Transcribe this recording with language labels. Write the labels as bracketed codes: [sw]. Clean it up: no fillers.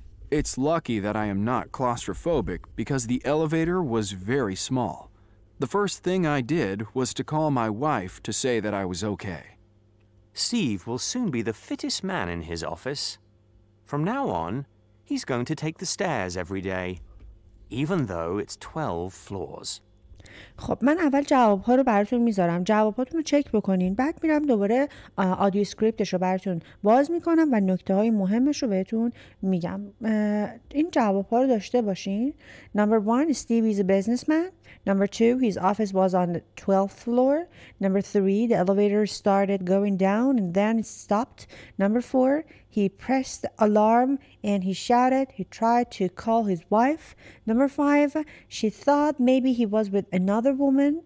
[en] It's lucky that I am not claustrophobic because the elevator was very small. The first thing I did was to call my wife to say that I was okay. Steve will soon be the fittest man in his office. From now on, he's going to take the stairs every day, even though it's 12 floors. [fa] خب من اول جواب ها رو براتون میذارم، جواب هاتون رو چک بکنین، بعد میرم دوباره آدیو اسکریپتش رو براتون باز میکنم و نکته های مهمش رو بهتون میگم. این جواب ها رو داشته باشین. [en] Number 1, Steve is a businessman. Number 2, his office was on the 12th floor. Number 3, the elevator started going down and then it stopped. Number 4, he pressed the alarm and he shouted. He tried to call his wife. Number 5, she thought maybe he was with another woman.